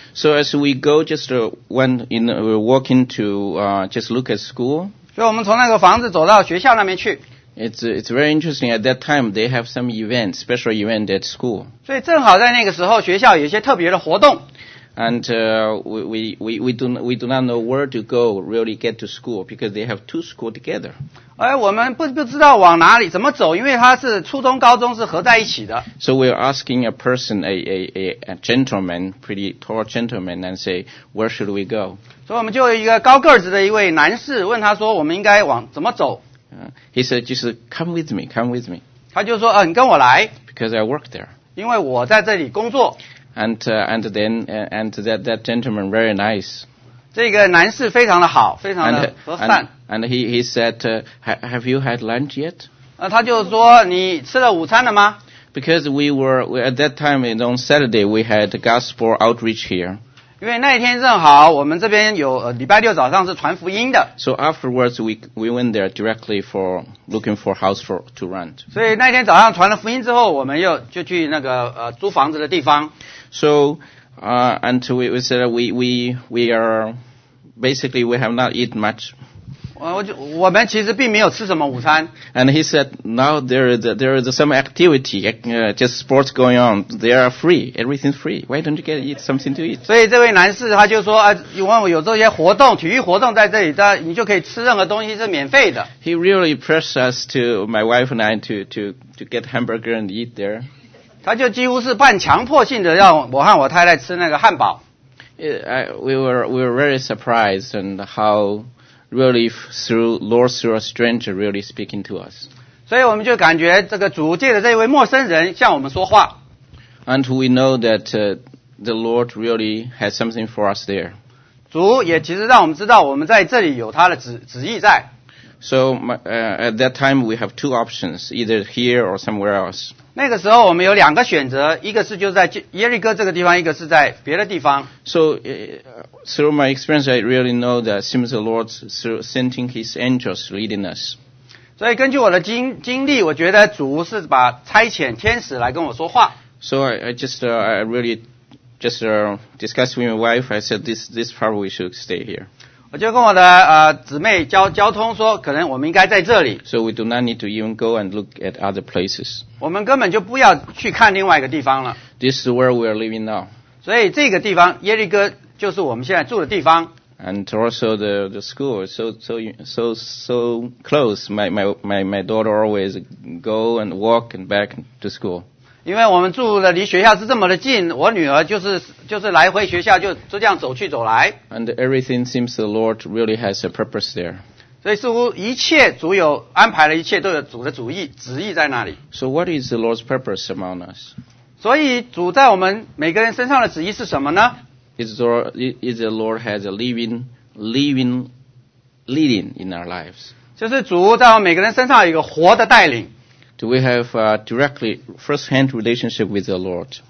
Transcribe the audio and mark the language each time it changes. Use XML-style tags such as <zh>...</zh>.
<en>So as we go, just went in, we walk into, just look at school.</en> <zh>所以我们从那个房子走到学校那边去。</zh> <en>It's very interesting. At that time, they have some event, special event at school.</en> <zh>所以正好在那个时候，学校有一些特别的活动。</zh> <en>And we do not know where to go really get to school because they have two school together.</en> <zh>我们不知道往哪里怎么走，因为它是初中高中是合在一起的。</zh> <en>So we're asking a person, a gentleman, pretty tall gentleman, and say, where should we go?</en> <zh>所以我们就一个高个子的一位男士问他说，我们应该往怎么走？</zh> <en>He said, just come with me, come with me.</en> <zh>他就说，你跟我来。</zh> <en>Because I work there.</en> <zh>因为我在这里工作。</zh> <en>And that gentleman very nice.</en> <zh>这个男士非常的好，非常的和善。</zh> <en>And he said, have you had lunch yet?</en> <zh>他就说你吃了午餐了吗？</zh> <en>Because we at that time on Saturday we had gospel outreach here.</en> <zh>因为那一天正好我们这边有礼拜六早上是传福音的。</zh> <en>So afterwards we went there directly for looking for house for to rent.</en> <zh>所以那天早上传了福音之后，我们又就去那个租房子的地方。</zh> <en>So, and we said we are basically we have not eaten much.</en> <zh>我们其实并没有吃什么午餐。</zh> <en>And he said, now there is some activity, just sports going on. They are free. Everything's free. Why don't you get eat something to eat?</en> <zh>所以这位男士他就说，因为我有这些活动，体育活动在这里，你就可以吃任何东西是免费的。</zh> <en>He really pressed us to my wife and I to get hamburger and eat there.</en> <zh>他就几乎是半强迫性的让我和我太太吃那个汉堡。</zh> <en>We were very surprised and how really through a stranger really speaking to us.</en> <zh>所以我们就感觉这个主借着这位陌生人向我们说话。</zh> <en>And we know that the Lord really has something for us there.</en> <zh>主也其实让我们知道我们在这里有他的旨意在。</zh> <en>So at that time we have two options, either here or somewhere else.</en> <zh>那个时候我们有两个选择，一个是就在耶利哥这个地方，一个是在别的地方。</zh> <en>So through my experience, I really know that seems the Lord through sending His angels leading us.</en> <zh>所以根据我的经历，我觉得主是把差遣天使来跟我说话。</zh> <en>So I really discussed with my wife. I said this part we should stay here.</en> <zh>我就跟我的姊妹交通说，可能我们应该在这里。</zh> <en>So we do not need to even go and look at other places.</en> <zh>我们根本就不要去看另外一个地方了。</zh> <en>This is where we are living now.</en> <zh>所以这个地方耶利哥就是我们现在住的地方。</zh> <en>And also the school is so close. My daughter always go and walk and back to school.</en> <zh>因为我们住的离学校是这么的近，我女儿就是来回学校就这样走去走来。</zh> <en>And everything seems the Lord really has a purpose there.</en> <zh>所以似乎一切主有安排的一切都有主的主意旨意在那里。</zh> <en>So what is the Lord's purpose among us?</en> <zh>所以主在我们每个人身上的旨意是什么呢？</zh> <en>Is the Lord has a living leading in our lives.</en> <zh>就是主在我们每个人身上有一个活的带领。</zh> <en>Do we have a directly first-hand relationship with the Lord?</en>